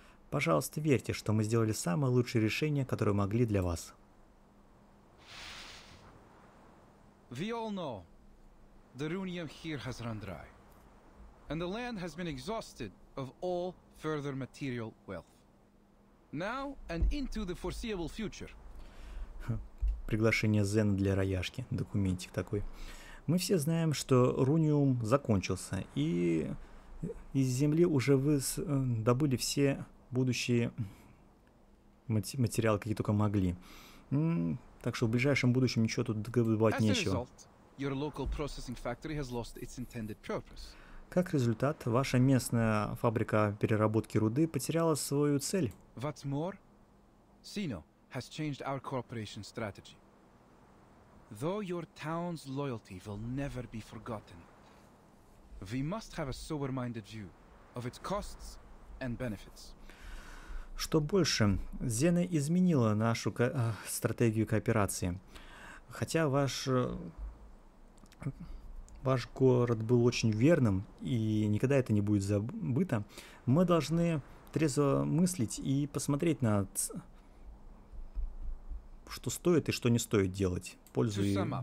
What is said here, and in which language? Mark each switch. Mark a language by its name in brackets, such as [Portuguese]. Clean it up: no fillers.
[Russian] Пожалуйста, верьте, что мы сделали самое лучшее решение, которое могли для вас. [English] We all know the runium here has run dry, and the land has been exhausted of all further material wealth. Now and into the foreseeable future. [Russian] Приглашение Зена для Раяшки, документик такой. Мы все знаем, что руниум закончился, и из земли уже вы добыли все будущие материалы, какие только могли. Так что в ближайшем будущем ничего тут добывать нечего. [English] Your local processing factory has lost its intended purpose. [Russian] Как результат, ваша местная фабрика переработки руды потеряла свою цель. [English] What's more, Sino has changed our corporation strategy. Though your town's loyalty will never be forgotten, we must have a sober-minded view of its costs and benefits. [Russian] Что больше, Зена изменила нашу стратегию кооперации. Хотя ваш город был очень верным, и никогда это не будет забыто, мы должны трезво мыслить и посмотреть на что стоит и что не стоит делать, пользуясь.